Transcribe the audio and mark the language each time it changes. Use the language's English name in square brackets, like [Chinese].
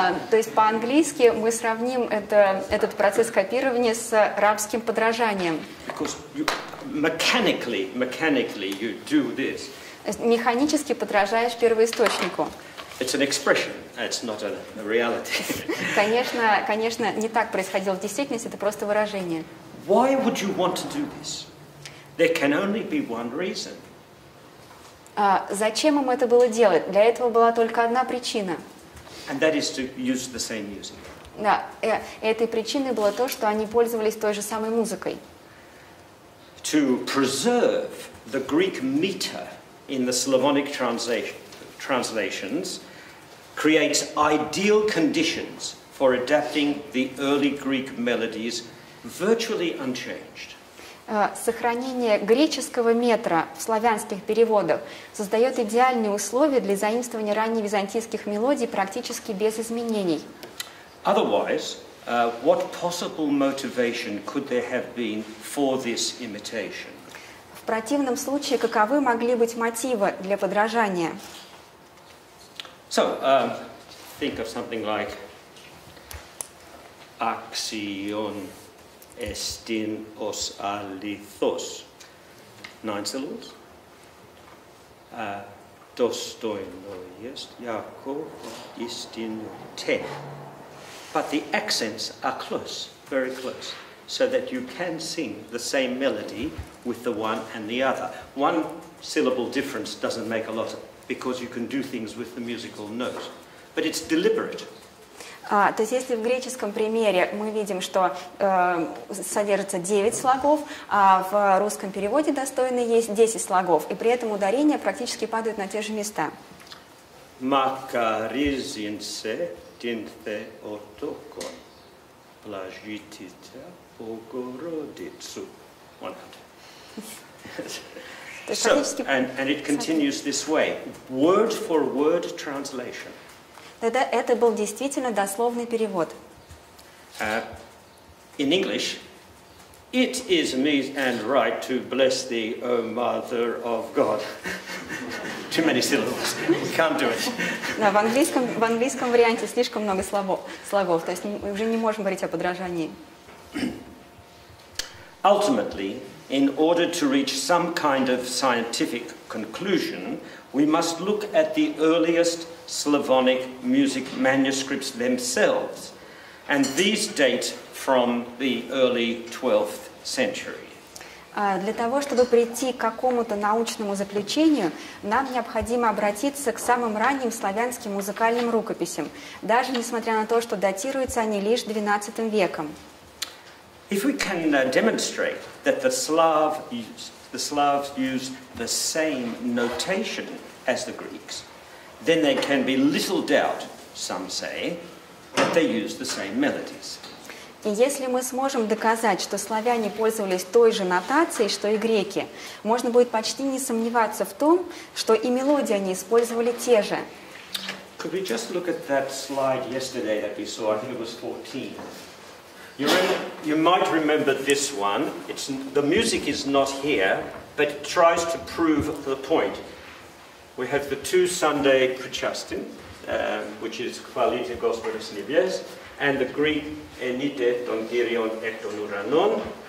[Russian] То есть по-английски мы сравним этот процесс копирования с рабским подражанием. [English] Because you, mechanically you do this. [Russian] Механически подражаешь первоисточнику. [English] It's an expression, it's not a reality. [Russian] конечно, не так происходило в действительности, это просто выражение. [English] Why would you want to do this? There can only be one reason. [Russian] Зачем им это было делать? Для этого была только одна причина. [English] And that is to use the same music. [Russian] Да, этой причиной было то, что они пользовались той же самой музыкой. [English] To preserve the Greek meter in the Slavonic translations creates ideal conditions for adapting the early Greek melodies virtually unchanged. [Russian] Сохранение греческого метра в славянских переводах создает идеальные условия для заимствования ранневизантийских мелодий практически без изменений. [English] Otherwise, what possible motivation could there have been for this imitation? [Russian] В противном случае, каковы могли быть мотивы для подражания? [English] So, think of something like [Greek] axion estin os alithos. [English] 9 syllables. [Church Slavic] Dostoino est jako istin 10. [English] But the accents are close, very close. So that you can sing the same melody with the one and the other. One syllable difference doesn't make a lot because you can do things with the musical note. But it's deliberate. [Russian] То есть если в греческом примере мы видим, что содержится 9 слогов, а в русском переводе [Church Slavic] достойно есть [Russian] 10 слогов, и при этом ударения практически падают на те же места. [Greek] Макаризин се тинте отокон плажитите. [Russian] Богородицу. 100. [English] So, and it continues this way. Word for word translation. [Russian] Да, это был действительно дословный перевод. [English] In English, It is meet and right to bless thee, O Mother of God. Too many syllables. Can't do it. [Russian] Да, в английском варианте слишком много слогов. То есть мы уже не можем говорить о подражании. [English] Ultimately, in order to reach some kind of scientific conclusion, we must look at the earliest Slavonic music manuscripts themselves, and these date from the early 12th century. [Russian] Для того, чтобы прийти к какому-то научному заключению, нам необходимо обратиться к самым ранним славянским музыкальным рукописям, даже несмотря на то, что датируются они лишь XII веком. [English] If we can demonstrate that the Slavs use the same notation as the Greeks, then there can be little doubt, some say, that they use the same melodies. [Russian] И если мы сможем доказать, что славяне пользовались той же нотацией, что и греки, можно будет почти не сомневаться в том, что и мелодии они использовали те же. [English] Could we just look at that slide yesterday that we saw? I think it was 14. You might remember this one. It's, the music is not here, but it tries to prove the point. We have the two Sunday Prochastin, which is [Church Slavic] Qualite Gospodis Nibies, [English] and the Greek [Greek] Enite ton Kyrion ekton uranon.